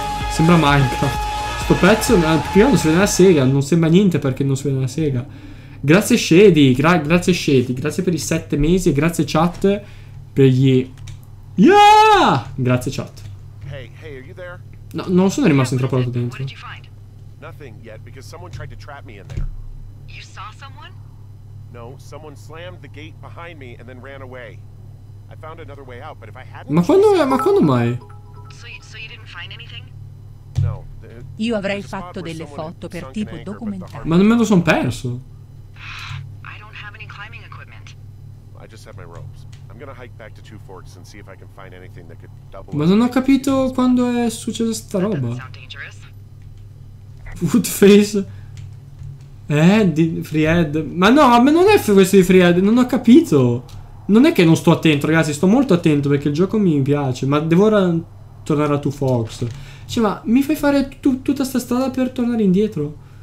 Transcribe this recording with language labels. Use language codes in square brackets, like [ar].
[it] Sembra Minecraft. Sto pezzo. Prima non si vede la sega. Non sembra niente perché non si vede la sega. Grazie, Shady. Grazie, Shady. Grazie per i 7 mesi. E grazie, chat. Per gli. Yeah! Grazie, chat. [en] Hey, are you there? [it] No, non sono rimasto intrappolato dentro. [en] Nothing yet because someone tried to trap me in there. You saw someone? No, someone slammed the gate behind me and then ran away. I found another way out, but if I hadn't. [it] Ma quando mai? [en] So you didn't find anything? No. [it] Io avrei fatto delle foto per tipo documentario. Ma non me lo son perso. [en] I don't have any climbing equipment. I just have my ropes. I'm gonna hike back to Two Forks and see if I can find anything that could double. [it] Ma non ho capito quando è successa sta roba. [en] Food face. [it] Freehead. Ma no, ma non è questo di Freehead. Non ho capito. Non è che non sto attento, ragazzi. Sto molto attento perché il gioco mi piace. Ma devo ora tornare a Two Forks. Cioè, ma mi fai fare tutta sta strada per tornare indietro?